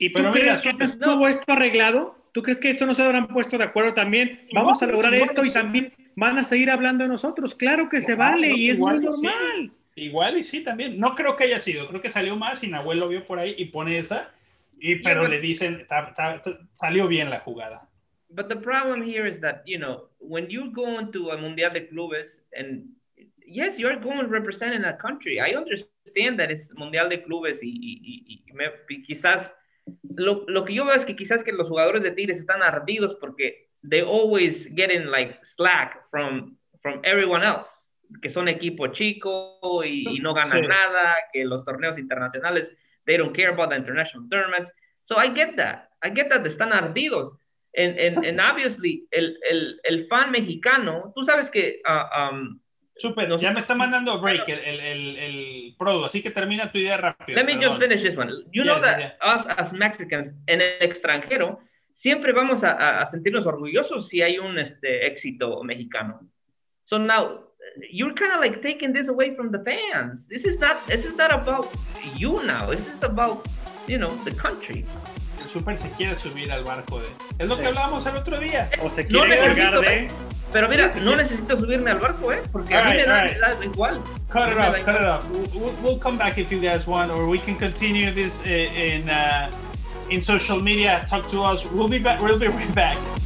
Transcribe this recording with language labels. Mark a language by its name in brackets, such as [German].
[Spanish] ¿Y pero tú mira, crees que no estuvo esto arreglado? ¿Tú crees que esto no se habrán puesto de acuerdo también? Vamos igual, a lograr esto y también van a seguir hablando de nosotros. Claro que se vale y es muy normal. Sí. Igual y sí también. No creo que haya sido. Creo que salió más y Nahuel lo vio por ahí y pone esa. Pero le dicen, salió bien la jugada. [English] But the problem here is that, you know, when you're going to a Mundial de Clubes, and yes, you're going representing a country. I understand that it's Mundial de Clubes [Spanish] y quizás, lo que yo veo es que quizás que los jugadores de Tigres están ardidos porque [English] they always getting like slack from everyone else, [Spanish] que son equipo chico y no ganan nada, que los torneos internacionales, [English] they don't care about the international tournaments. So I get that. I get that [Spanish] están ardidos. [English] And obviously, [Spanish] el fan mexicano, tú sabes que... Super, ya me está mandando a break el prodo, así que termina tu idea rápido. [English] Let me just finish this one. Us as Mexicans, [Spanish] en el extranjero, siempre vamos a sentirnos orgullosos si hay un éxito mexicano. [English] So now, you're kind of like taking this away from the fans. This is not about you now. This is about, you know, the country. [Spanish] Super se quiere subir al barco de... Es lo que hablábamos el otro día. O se quiere subir de... Pero mira, no necesito subirme al barco, porque a mí me da igual. [English] Cut it off. We'll come back if you guys want, or we can continue this in social media. Talk to us. We'll be back. We'll be right back.